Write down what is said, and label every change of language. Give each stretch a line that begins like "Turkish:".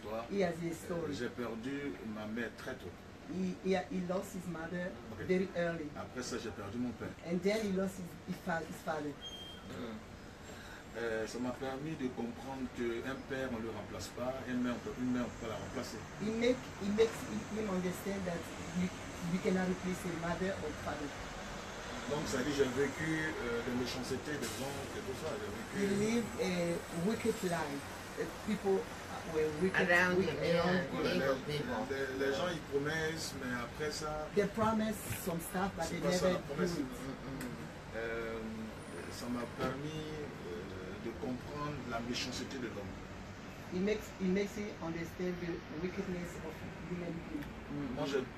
English: He has a story.
French: J'ai perdu ma mère très tôt.
English: He lost his mother very early.
French: Après ça, j'ai perdu mon père.
English: And then he lost his father.
French: Ça m'a permis de comprendre qu'un père on le remplace pas, une mère on peut pas la remplacer.
English: Il understand that you cannot replace a mother or father.
French: Donc ça dit j'ai vécu des méchancetés, des gens et tout ça.
English: He lived a wicked life. People were wicked.
French: Les gens ils promettent, mais après ça.
English: They promise some stuff, but they never do it.
French: Ça m'a permis de comprendre la méchanceté de l'homme.
English: Il makes it understand the wickedness of humanity.